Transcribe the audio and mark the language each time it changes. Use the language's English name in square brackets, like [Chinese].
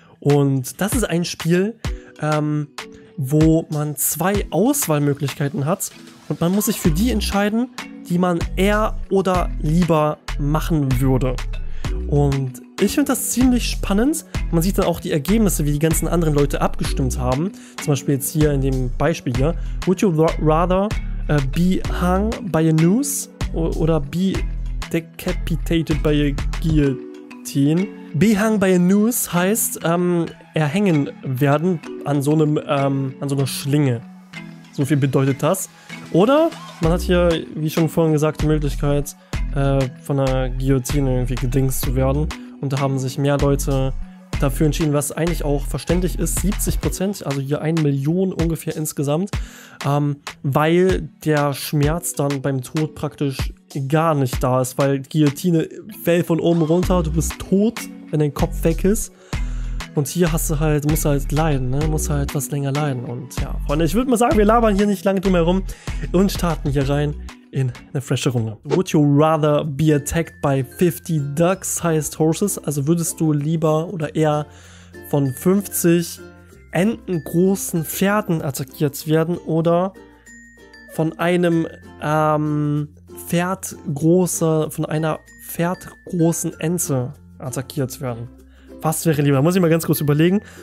[German] Und das ist ein Spiel, wo man zwei Auswahlmöglichkeiten hat und man muss sich für die entscheiden, die man eher oder lieber machen würde. Und ich finde das ziemlich spannend. Man sieht dann auch die Ergebnisse, wie die ganzen anderen Leute abgestimmt haben. Zum Beispiel jetzt hier in dem Beispiel hier. [English] Would you rather be hung by a noose [German] oder [English] be decapitated by a guillotine? Be hung by a noose [German] heißt erhängen werden an so einem an so einer Schlinge. So viel bedeutet das. Oder man hat hier, wie schon vorhin gesagt, die Möglichkeit, von der Guillotine irgendwie gedingst zu werden. Und da haben sich mehr Leute dafür entschieden, was eigentlich auch verständlich ist. 70%, also hier 1 Million ungefähr insgesamt. Weil der Schmerz dann beim Tod praktisch gar nicht da ist. Weil Guillotine fällt von oben runter. Du bist tot, wenn dein Kopf weg ist. Und hier hast du halt, musst du halt leiden, ne? Musst du halt etwas länger leiden. Und ja, Freunde, ich würde mal sagen, wir labern hier nicht lange drum herum und starten hier rein in eine frische Runde. [English] Would you rather be attacked by 50 duck-sized horses? [German] Also würdest du lieber oder eher von 50 entengroßen Pferden attackiert werden oder von einem Pferdgroßen Ente attackiert werden? Was wäre lieber? Muss ich mal ganz kurz überlegen.